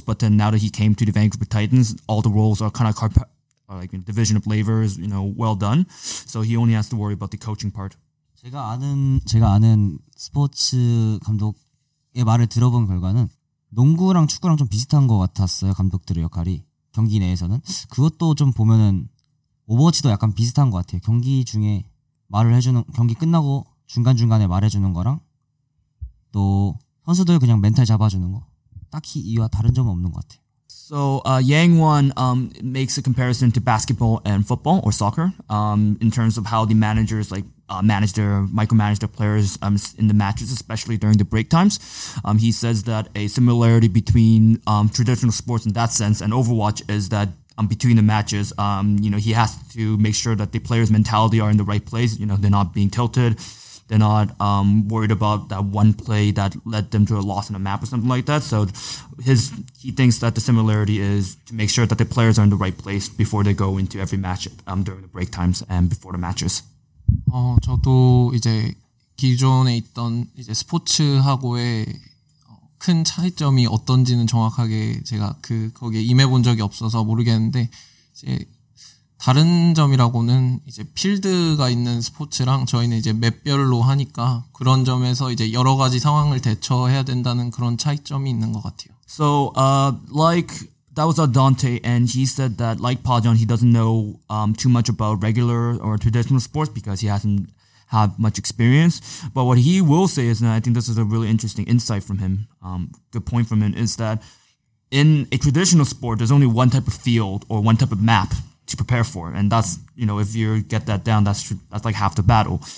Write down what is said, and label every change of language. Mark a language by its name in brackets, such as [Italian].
[English] But then now that he came to the Vancouver Titans, all the roles are kind of division of labor is, you know, well done. So he only has to worry about the coaching part. [Korean] 제가 아는 스포츠 감독의 말을 들어본 결과는 농구랑 축구랑 좀 비슷한 것 같았어요. 감독들의 역할이 경기 내에서는 그것도 좀 보면은 오버워치도 약간 비슷한 것 같아요. 경기 중에 말을 해주는 경기 끝나고 중간 중간에 말해주는 거랑 또 선수들 그냥 멘탈 잡아주는 거 딱히 이와 다른 점은 없는 것 같아요. [English] So Yang Wan makes a comparison to basketball and football or soccer in terms of how the managers like micromanage their players in the matches, especially during the break times. He says that a similarity between traditional sports in that sense and Overwatch is that between the matches, you know, he has to make sure that the players' mentality are in the right place. You know, they're not being tilted, They're not worried about that one play that led them to a loss in a map or something like that. So he thinks that the similarity is to make sure that the players are in the right place before they go into every match during the break times and before the matches. [Korean] 저도 이제 기존에 있던 이제 스포츠하고의 큰 차이점이 어떤지는 정확하게 제가 그 거기에 임해본 적이 없어서 모르겠는데 이제 다른 점이라고는 이제 필드가 있는 스포츠랑 저희는 이제 맵별로 하니까 그런 점에서 이제 여러 가지 상황을 대처해야 된다는 그런 차이점이 있는 것 같아요. [English] So, like that was Dante, and he said that like Pajon, he doesn't know too much about regular or traditional sports because he hasn't have much experience, but what he will say is, and I think this is a really interesting insight from him, good point from him, is that in a traditional sport, there's only one type of field or one type of map to prepare for, and that's, you know, if you get that down, that's like half the battle.